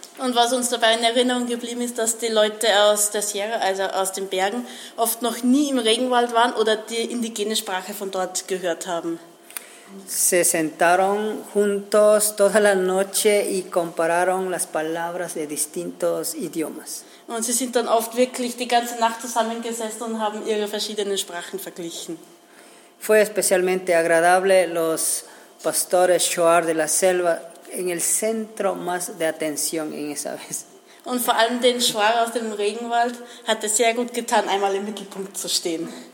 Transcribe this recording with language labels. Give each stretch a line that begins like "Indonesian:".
German: Und was uns dabei in Erinnerung geblieben ist, dass die Leute aus der Sierra, also aus den Bergen, oft noch nie im Regenwald waren oder die indigene Sprache von dort gehört haben.
Spanish: Se sentaron juntos toda la noche y compararon las palabras de distintos idiomas.
German: Und sie sind dann oft wirklich die ganze Nacht zusammengesessen und haben ihre verschiedenen Sprachen verglichen.
Spanish: Fue especialmente agradable los pastores Shuar de la Selva en el centro más de atención en esa vez.
German: Und vor allem den Shuar aus dem Regenwald hat es sehr gut getan, einmal im Mittelpunkt zu stehen.